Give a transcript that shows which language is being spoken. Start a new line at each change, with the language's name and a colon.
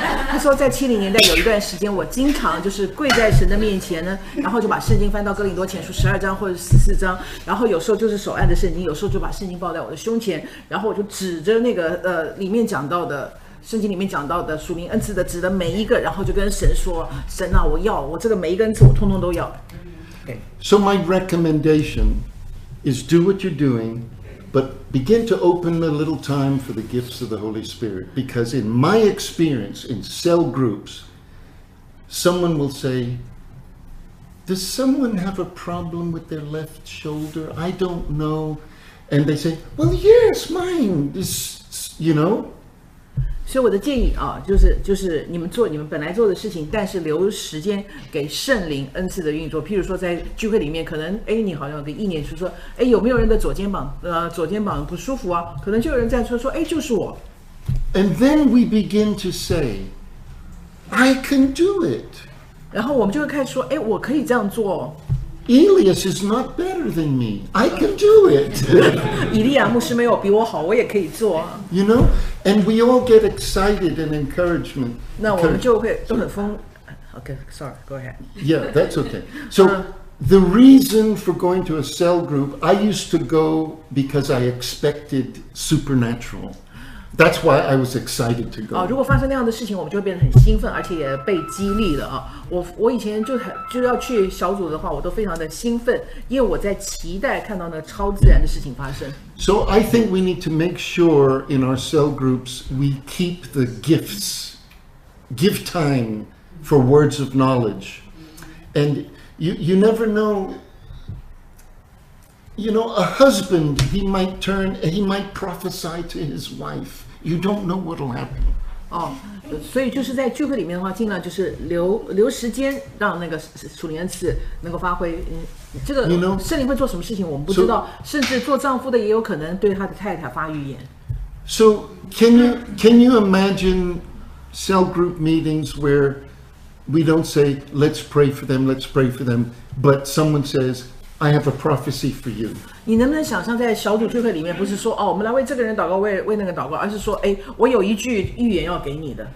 Chinese: 他说在七零年代有一段时间，我经常就是跪在神的面前呢，然后就把圣经翻到哥林多前书十二章或者十四章，然后有时候就是手按着圣经，有时候就把圣经抱在我的胸前，然后我就指着那个里面讲到的圣经里面讲到的属灵恩赐的指的每一个，然后就跟神说，神啊，我这个每一个恩赐我通通都要。
English: Okay. So my recommendation is do what you're doing. But begin to open a little time for the gifts of the Holy Spirit. Because in my experience in cell groups, someone will say, does someone have a problem with their left shoulder? I don't know. And they say, well, yes, mine is, you know. So my
Chinese: 建议啊，就是你们做你们本来做的事情，但是留时间给圣灵恩赐的运作。譬如说，在聚会里面，可能哎，你好像有个意念是说，哎，有没有人的左肩膀不舒服啊？可能就有人在说，哎，就是我。
English: And then we begin to say, I can do it.
Chinese: 然后我们就会开始说，哎，我可以这样做。
English: Elias is not better than me. I can do it.
Chinese: 以利亚牧师没有比我好，我也可以做。
English: You know, and we all get excited and encouragement.
Chinese: 那我们就会都很疯。
English: Okay, sorry, go ahead. Yeah, that's okay. So the reason for going to a cell group, I used to go because I expected supernatural. That's why I was excited to go.
Chinese: 如果发生那样的事情，我们就会变得很兴奋，而且也被激励了啊。我以前就要去小组的话，我都非常的兴奋，因为我在期待看到那超自然的事情发生。
English: So I think we need to make sure in our cell groups we keep the gifts, give time for words of knowledge, and you never know. You know, a husband he might prophesy to his wife. You don't know what'll happen.
Chinese: 所以就是在聚会里面的话，尽量就是留时间，让那个属灵恩赐能够发挥。这个圣灵会做什么事情，我们不知道。甚至做丈夫的也有可能对他的太太发预言。
English: So can you imagine cell group meetings where we don't say let's pray for them, but someone says, I have a prophecy for you.
Chinese: 你能不能想象在小组聚会里面，不是说哦，我们来为这个人祷告，为那个祷告，而是说，哎，我有一句预言要给你的。